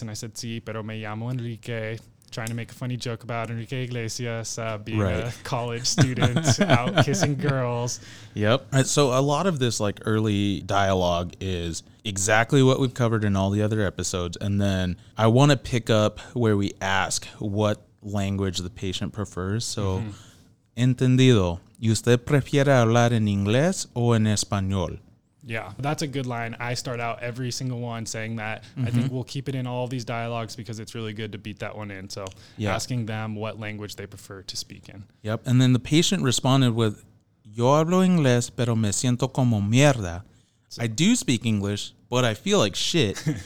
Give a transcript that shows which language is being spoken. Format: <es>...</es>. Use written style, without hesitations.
<en>And I said,</en> <es>sí, pero me llamo Enrique.</es> <en>Trying to make a funny joke about Enrique Iglesias being right. A college student out kissing girls. Yep. Right, so a lot of this like early dialogue is exactly what we've covered in all the other episodes. And then I want to pick up where we ask what language the patient prefers.</en> <es>So entendido, ¿usted prefiere hablar en inglés o en español?</es> <en>Yeah, that's a good line. I start out every single one saying that. Mm-hmm. I think we'll keep it in all these dialogues because it's really good to beat that one in. So asking them what language they prefer to speak in. Yep, and then the patient responded with,</en> <es>yo hablo inglés, pero me siento como mierda.</es> <en>So, I do speak English, but I feel like shit.</en>